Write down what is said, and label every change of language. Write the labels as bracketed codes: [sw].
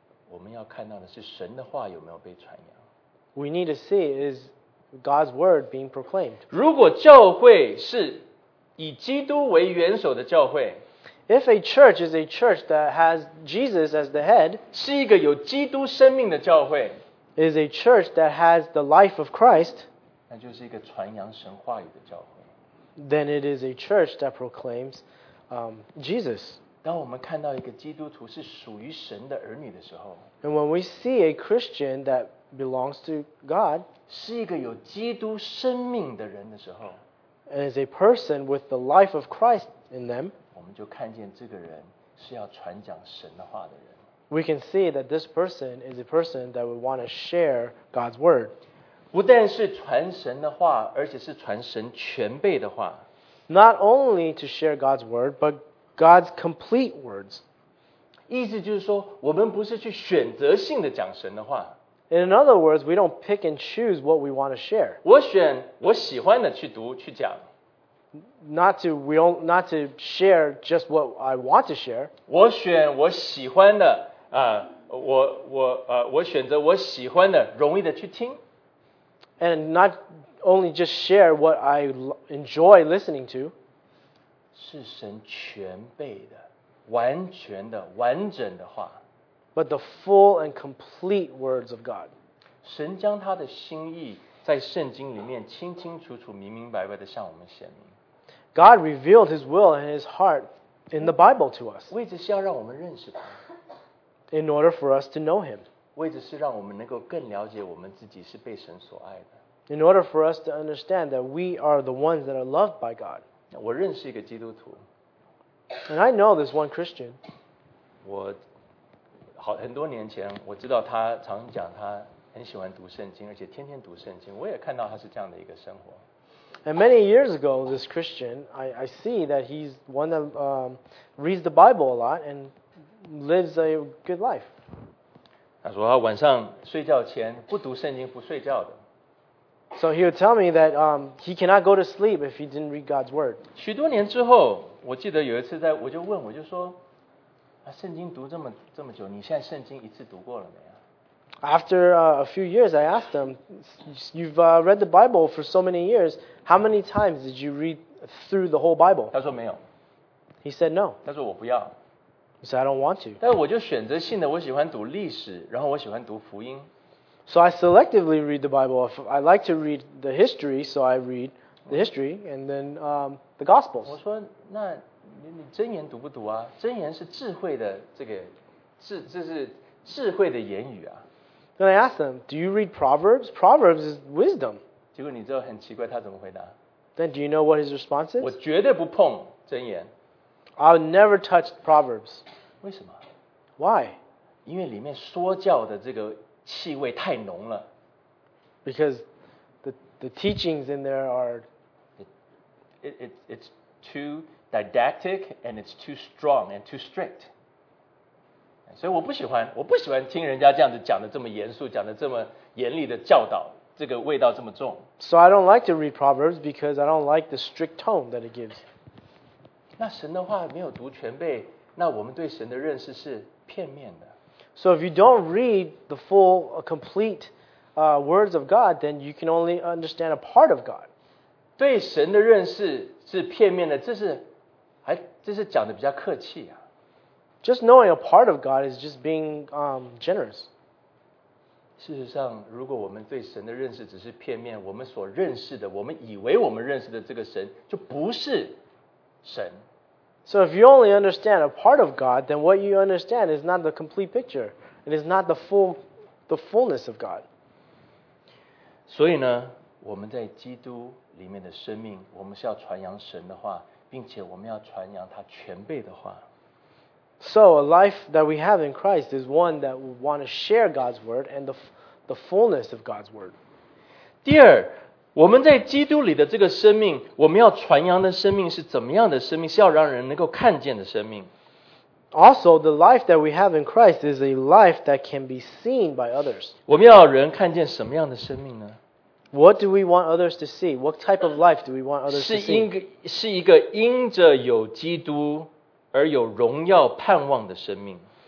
[zh] 我们要看到的是神的话有没有被传扬。 [en] We need to see is God's word being proclaimed. [zh] 如果教会是以基督为元首的教会。 [en] If a church is a church that has Jesus as the head, [zh] 是一个有基督生命的教会 [en] is a church that has the life of Christ, [zh] 那就是一个传扬神话语的教会 [en] then it is a church that proclaims, Jesus. [zh] 当我们看到一个基督徒是属于神的儿女的时候 [en] and when we see a Christian that belongs to God, [zh] 是一个有基督生命的人的时候 [en] and is a person with the life of Christ in them, [zh] 我们就看见这个人是要传讲神的话的人。 [en] We can see that this person is a person that would want to share God's word. [zh] 不但是传神的话，而且是传神全备的话。 [en] Not only to share God's word, but God's complete words. [zh] 意思就是说，我们不是去选择性的讲神的话。 [en] In other words, we don't pick and choose what we want to share. [zh] 我选我喜欢的去读去讲。 [en] Not to share just what I want to share. [zh] 我选我喜欢的、我选择我喜欢的容易的去听。 [en] And not only just share what I enjoy listening to. [zh] 是神全备的、完全的、完整的话。 [en] But the full and complete words of God. [zh] 神将他的心意在圣经里面清清楚楚、明明白白的向我们显明。 [en] God revealed His will and His heart in the Bible to us. [zh] 为的是要让我们认识他。 [en] In order for us to know Him. [zh] 为的是让我们能够更了解我们自己是被神所爱的。 [en] In order for us to understand that we are the ones that are loved by God. [zh] 我认识一个基督徒。 [en] And I know this one Christian. [zh] 我好很多年前我知道他常讲他很喜欢读圣经，而且天天读圣经。我也看到他是这样的一个生活。 [en] And many years ago, this Christian, I see that he's one that reads the Bible a lot and lives a good life. [zh] 他说他晚上睡觉前不读圣经不睡觉的。 [en] So he would tell me that he cannot go to sleep if he didn't read God's word. [zh] 许多年之后，我记得有一次在，我就问，我就说，啊，圣经读这么久，你现在圣经一次读过了没有？ [en] After a few years, I asked him, you've read the Bible for so many years, how many times did you read through the whole Bible? [zh] 他说没有。 [en] He said no. [zh] 他说我不要。 [en] He said, I don't want to. [zh] 但我就选择性的，我喜欢读历史，然后我喜欢读福音。 [en] So I selectively read the Bible. I like to read the history, so I read the history, and then the Gospels. [zh] 我说，那 你真言读不读啊？真言是智慧的这个，这是智慧的言语啊。 [en] Then I asked him, do you read Proverbs? Proverbs is wisdom. [zh] 结果你知道很奇怪他怎么回答。 [en] Then do you know what his response is? [zh] 我绝对不碰箴言。 [en] I'll never touch Proverbs. [zh] 为什么？ [en] Why? [zh] 因为里面说教的这个气味太浓了。 [en] Because the teachings in there are... It's too didactic and it's too strong and too strict. [zh] 所以我不喜欢，我不喜欢听人家这样子讲的这么严肃，讲的这么严厉的教导，这个味道这么重。 [en] So I don't like to read Proverbs because I don't like the strict tone that it gives. [zh] 那神的话没有读全备，那我们对神的认识是片面的。 [en] So if you don't read the full, complete, words of God, then you can only understand a part of God. [zh] 对神的认识是片面的，这是讲的比较客气啊。 [en] Just knowing a part of God is just being generous. [zh] 事实上，如果我们对神的认识只是片面，我们所认识的，我们以为我们认识的这个神，就不是神。 [en] So if you only understand a part of God, then what you understand is not the complete picture. It is not the fullness of God. [zh] 所以呢，我们在基督里面的生命，我们是要传扬神的话，并且我们要传扬他全备的话。 [en] So a life that we have in Christ is one that we want to share God's word and the fullness of God's word. [zh] 第二，我们在基督里的这个生命，我们要传扬的生命是怎么样的生命？是要让人能够看见的生命。 [en] Also, the life that we have in Christ is a life that can be seen by others. [zh] 我们要人看见什么样的生命呢？ [en] What do we want others to see? What type of life do we want others to see? [zh] 是一个因着有基督而有荣耀盼望的生命。